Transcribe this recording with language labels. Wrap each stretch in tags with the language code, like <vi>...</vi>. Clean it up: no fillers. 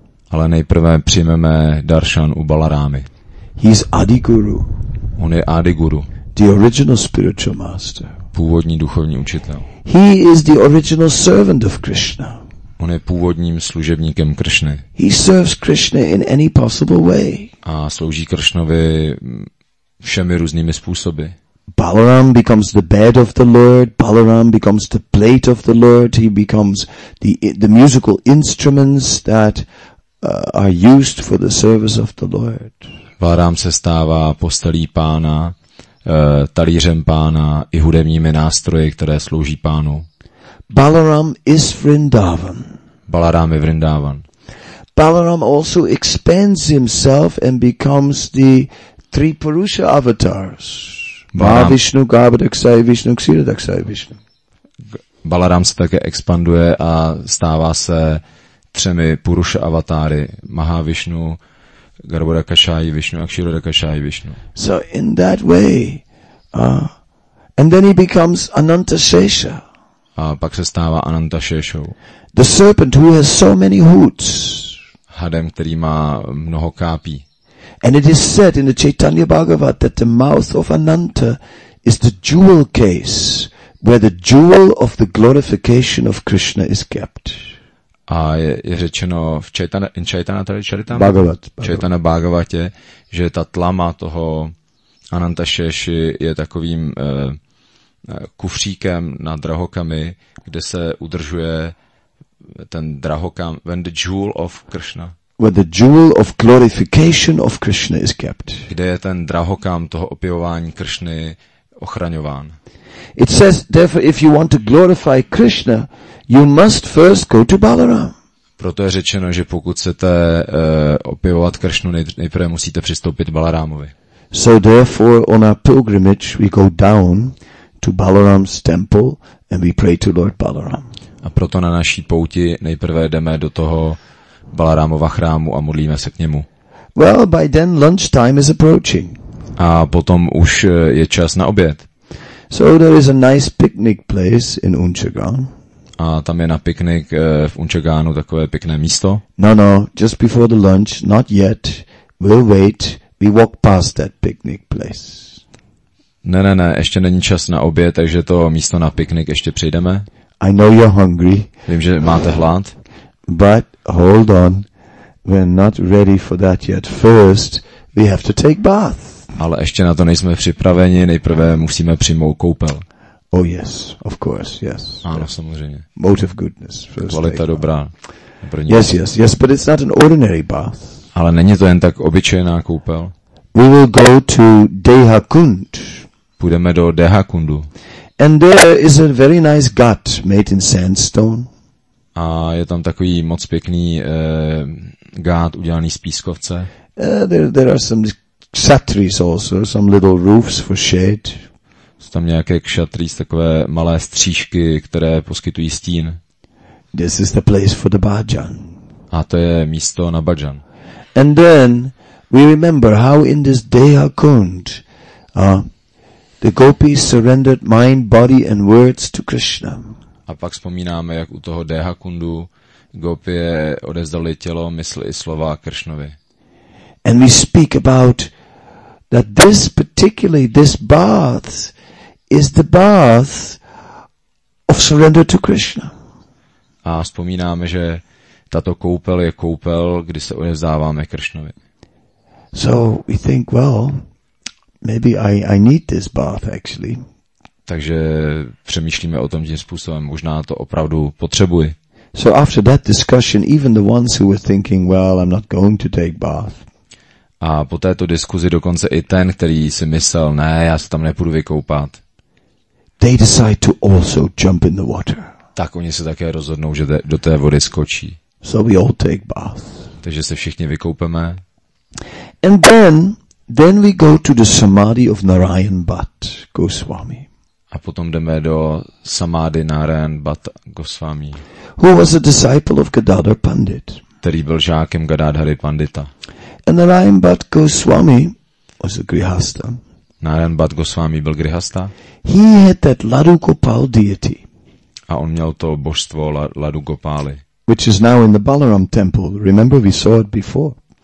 <cs>Ale nejprve přijmeme darshan u Balarámy.</cs> <en>He's Adi Guru.</en> <cs>On je Adi Guru.</cs> <en>The original spiritual master.</en> <cs>Původní duchovní učitel.</cs> <en>He is the original servant of Krishna.</en> <cs>On je původním služebníkem Kršny.</cs> <en>He serves Krishna in any possible way.</en> <cs>A slouží Kršnovi všemi různými způsoby.</cs> <en>Balaram becomes the bed of the Lord, Balaram becomes the plate of the Lord, he becomes the musical instruments that are used for the service of the Lord.</en> <cs>Balaram se stává postelí pána, talířem pána i hudebními nástroji, které slouží pánu.</cs> <en>Balaram is Vrindavan.</en> <cs>Balaram je Vrindavan.</cs> <en>Balaram also expands himself and becomes the three Purusha avatars. Mahavishnu, Garbhadakshaya Vishnu, Kshiradakshaya Vishnu.</en> <cs>Balaram se také expanduje a stává se třemi Purusha avatary. Mahavishnu, Garbhadakshaya Vishnu a Kshiradakshaya Vishnu.</cs> <en>So in that way, and then he becomes Anantashesha.</en> <cs>A pak se stává Anantashešou.</cs> <en>The serpent who has so many hoods.</en> <cs>Hadem, který má mnoho kápí.</cs> <en>And it is said in the Chaitanya Bhagavat that the mouth of Ananta is the jewel case where the jewel of the glorification of Krishna is kept.</en> <cs>A je řečeno v Chaitanya Bhagavat, Chaitanya Bhagavatě, že ta tlama toho Anantašeši je takovým kufříkem na drahokamy, kde se udržuje ten drahokam,</cs> <en>when the jewel of Krishna. Where the jewel of glorification of Krishna is kept.</en> <cs>Kde je ten drahokam toho opěvování Krishny ochraňován.</cs> <en>It says, therefore, if you want to glorify Krishna, you must first go to Balaram.</en> <cs>Proto je řečeno, že pokud chcete opěvovat Krishnu, nejprve musíte přistoupit Balarámovi.</cs> <en>So therefore, on our pilgrimage, we go down to Balaram's temple and we pray to Lord Balaram.</en> <cs>A proto na naší pouti nejprve jdeme do toho Balarámova chrámu a modlíme se k němu.</cs> <en>Well, by then lunch time is approaching.</en> <cs>A potom už je čas na oběd.</cs> <en>So there is a nice picnic place in Unchagan.</en> <cs>A tam je na piknik v Unchaganu takové pěkné místo.</cs> <en>No, no, just before the lunch, not yet. We'll wait. We walk past that picnic place.</en> <cs>Ne, ne, ne, ještě není čas na oběd, takže to místo na piknik ještě přejdeme.</cs> <en>I know you're hungry.</en> <cs>Vím, že máte hlad.</cs> <en>But hold on, we're not ready for that yet. First, we have to take bath.</en> <cs>Ale ještě na to nejsme připraveni, nejprve musíme přijmout koupel.</cs> <en>Oh yes, of course, yes.</en> <cs>Ano, samozřejmě.</cs> <en>Motive goodness. First kvalita take, dobrá.</en> <cs>První.</cs> <en>Yes, yes, yes, but it's not an ordinary bath.</en> <cs>Ale není to jen tak obyčejná koupel.</cs> <en>We will go to Dehakund.</en> <cs>Půjdeme do Dehakundu.</cs> <en>And there is a very nice ghat made in sandstone.</en> <cs>A je tam takový moc pěkný ghat udělaný z pískovce.</cs> <en>There are some kshatris also, some little roofs for shade.</en> <cs>Jsou tam nějaké kshatris, takové malé střížky, které poskytují stín.</cs> <en>This is the place for the bhajan.</en> <cs>A to je místo na bhajan.</cs> <en>And then we remember how in this Dehakund the gopis surrendered mind, body and words to Krishna.</en> <cs>A pak vzpomínáme, jak u toho Dehakundu gopie odevzdali tělo, mysl i slova Kršnovi.</cs> <en>And we speak about that this particularly this bath is the bath of surrender to Krishna.</en> <cs>A vzpomínáme, že tato koupel je koupel, kdy se odevzdáváme Kršnovi.</cs> <en>So we think, well, maybe I need this bath actually.</en> <cs>Takže přemýšlíme o tom tím způsobem, možná to opravdu potřebuji.</cs> <en>So after that discussion, even the ones who were thinking, well, I'm not going to take bath.</en> <cs>A po této diskuzi dokonce i ten, který si myslel, ne, já se tam nepůjdu vykoupat.</cs> <en>They decide to also jump in the water.</en> <cs>Tak oni se také rozhodnou, že do té vody skočí.</cs> <en>So we all take bath.</en> <cs>Takže se všichni vykoupeme.</cs> <en>And then we go to the samadhi of Narayan Bhatt Goswami.</en> <cs>A potom jdeme do samadhi Narayan Bhatt Goswami.</cs> <en>Who was a disciple of Gadadhar Pandit.</en> <cs>Který byl žákem Gadadhary Pandita.</cs> <en>And Narayan Bhatt Goswami was a grihastha.</en> <cs>Narayan Bhatt Goswami byl grihastha.</cs> <en>He had that Ladu Gopal deity.</en> <cs>A on měl to božstvo Ladu Gopály.</cs> <en>Which is now in the Balaram temple. Remember, we saw it before.</en>